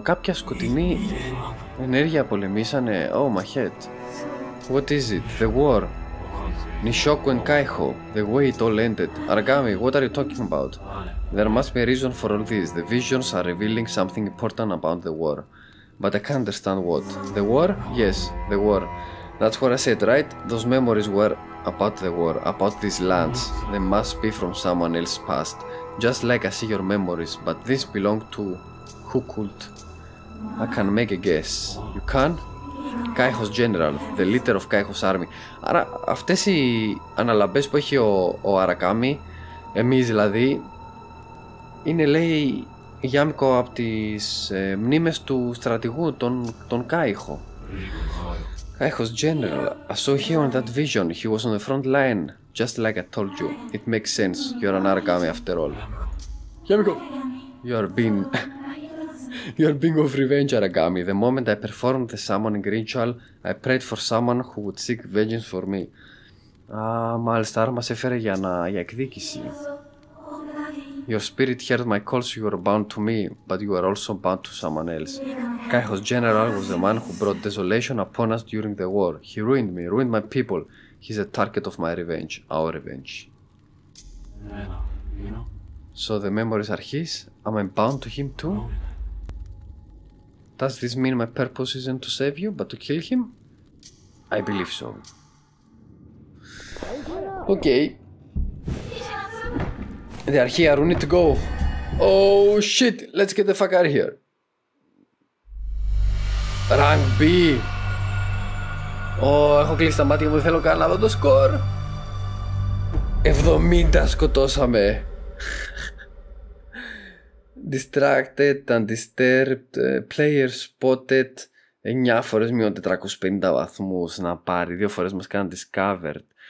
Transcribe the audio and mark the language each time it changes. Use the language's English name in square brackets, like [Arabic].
[Greek] Κάποια σκοτεινή ενέργεια πολεμήσανε. [English] Oh, my head. What is it? The war. Nishoku and Kaiho, the way it all ended. Aragami, what are you talking about? There must be a reason for all this. The visions are revealing something important about the war. But I can't understand what. The war? Yes, the war. That's what I said, right? Those memories were about the war, about these lands. They must be from someone else's past. Just like I see your memories, but this belong to who could? I can make a guess. You can? Kaihos General, the leader of Kaihos Army. [Greek] Άρα αυτές οι αναλαμπές που έχει ο Αρακάμι, εμείς δηλαδή, είναι λέει γιάμικο από τις μνήμες του στρατηγού, τον Κάιχο. [English] Kaihos General, I saw him on that vision. He was on the front line, just like I told you. It makes sense. You're an Aragami after all. Yamiko, you are being of revenge, Aragami. The moment I performed the summoning ritual, I prayed for someone who would seek vengeance for me. [Greek] Μάλιστα, άρα μας έφερε για εκδίκηση. [English] Your spirit heard my calls, you were bound to me, but you were also bound to someone else. Kaihos General was the man who brought desolation upon us during the war. He ruined me, ruined my people. He's a target of my revenge, our revenge. So the memories are his? Am I bound to him too? Does this mean my purpose isn't to save you, but to kill him? I believe so. Okay. They are here, we need to go. Oh shit, let's get the fuck out of here. Rank B. [Greek] Oh, έχω κλείσει τα μάτια μου, δεν θέλω καν να δω το σκορ. 70 σκοτώσαμε. [English] Distracted, undisturbed, player spotted. [Greek] 9 φορές μείον 450 βαθμούς να πάρει. 2 φορές μας κάνει discovered.